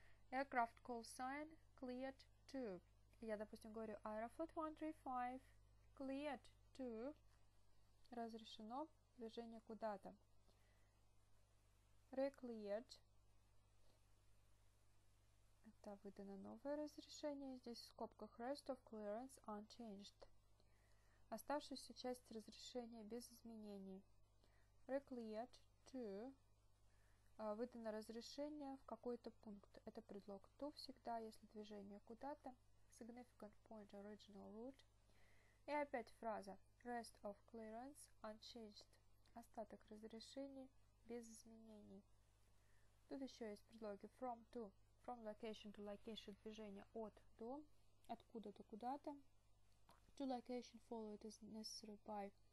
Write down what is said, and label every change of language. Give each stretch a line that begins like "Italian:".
English: Aircraft call sign cleared to.
Russian: Я, допустим, говорю Аэрофлот 135.
English: Cleared to.
Russian: Разрешено движение куда-то.
English: Re-cleared.
Russian: Это выдано новое разрешение. Здесь в скобках
English: rest of clearance unchanged.
Russian: Оставшуюся часть разрешения без изменений.
English: Re-cleared to.
Russian: Выдано разрешение в какой-то пункт. Это предлог to всегда, если движение куда-то.
English: Significant point original route.
Russian: И опять фраза.
English: Rest of clearance unchanged.
Russian: Остаток разрешения без изменений. Тут еще есть предлоги from to.
English: From location to location.
Russian: Движение от до. Откуда-то куда-то.
English: To location followed is necessary by.